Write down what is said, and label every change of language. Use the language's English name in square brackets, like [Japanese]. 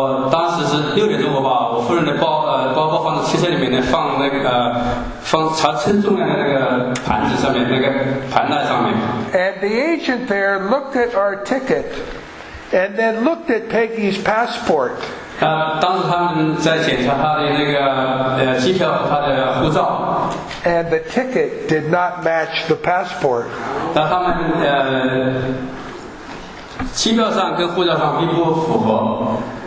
[Chinese] 当时是六点钟，我把我夫人的包放在汽车里面，放那个放查称重量的那个盘子上面，那个盘带上面。 [English] And the agent there looked at our ticket and then looked at Peggy's passport. [Chinese] 当时他们在检查他的那个机票和他的护照。 [English] And the ticket did not match the passport. [Chinese] 但他们机票上跟护照上并不符合。